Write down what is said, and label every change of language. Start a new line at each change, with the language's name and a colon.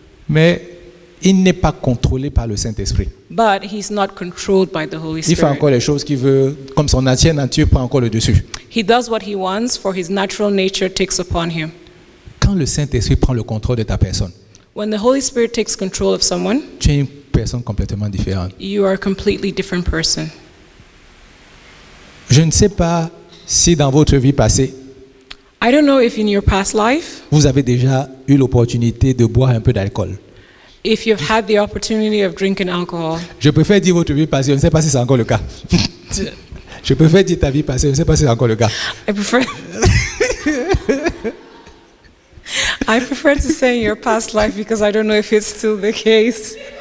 French: Mais il n'est pas contrôlé par le Saint-Esprit.
English: But he's not controlled by the Holy Spirit.
French: Il fait encore les choses qu'il veut, comme son ancienne nature prend encore le dessus.
English: He does what he wants, for his natural nature takes upon him.
French: Quand le Saint-Esprit prend le contrôle de ta personne,
English: when the Holy Spirit takes control of someone,
French: tu es une personne complètement différente.
English: You are a completely different person.
French: Je ne sais pas si dans votre vie passée,
English: I don't know if in your past life,
French: vous avez déjà eu l'opportunité de boire un peu d'alcool.
English: If you've had the opportunity of drinking alcohol.
French: Je préfère dire votre vie passée, je ne sais pas si c'est encore le cas. Je préfère dire ta vie passée, je ne sais pas si c'est encore le cas.
English: I prefer to say in your past life because I don't know if it's still the case.